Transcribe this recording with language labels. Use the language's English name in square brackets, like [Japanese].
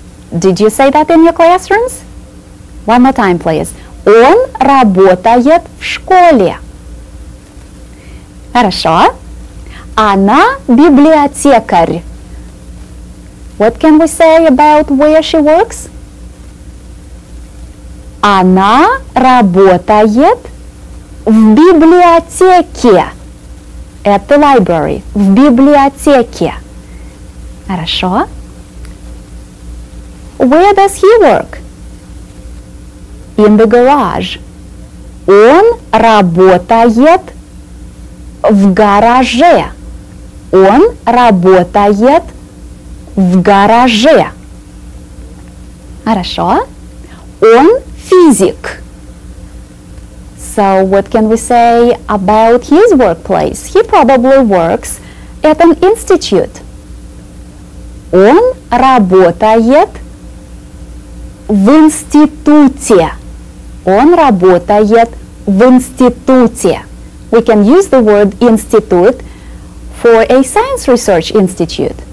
[English] Did you say that in your classrooms? One more time, please. [Russian] Он работает в школе. Хорошо. Она библиотекарь. [English] What can we say about where she works? [Russian] Она работает в библиотеке. [English] At the library. [Russian] В библиотеке. Хорошо. [English] Where does he work? In the garage. [Russian] Он работает в гараже. Он работает в гараже. Хорошо. Он физик. [English] So what can we say about his workplace? He probably works at an institute. [Russian] Он работает в институте. Он работает в институте. [English] We can use the word institute for a science research institute.